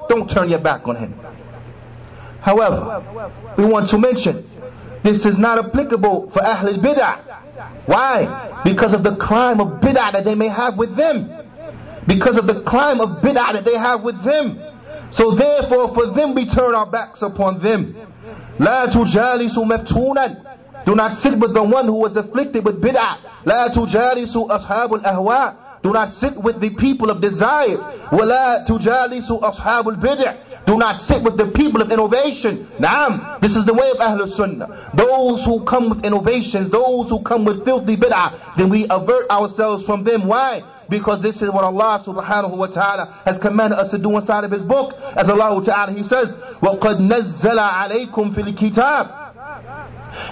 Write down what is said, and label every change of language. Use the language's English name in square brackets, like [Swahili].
[English] Don't turn your back on him. However, we want to mention, this is not applicable for Ahl al-Bid'ah. Why? Because of the crime of Bid'ah that they may have with them. Because of the crime of Bid'ah that they have with them. So therefore, for them we turn our backs upon them. [Arabic] لا تجالسوا مفتوناً. [English] Do not sit with the one who was afflicted with Bid'ah. [Arabic] لا تجالسوا أصحاب الأهواء. [English] Do not sit with the people of desires. [Arabic] ولا تجالسوا أصحاب البدع. [English] Do not sit with the people of innovation. Naam. This is the way of Ahlul Sunnah. Those who come with innovations, those who come with filthy bid'ah, then we avert ourselves from them. Why? Because this is what Allah subhanahu wa ta'ala has commanded us to do inside of His book. As Allah ta'ala, He says, [Arabic] وَقَدْ نَزَّلَ عَلَيْكُمْ فِي الْكِتَابِ.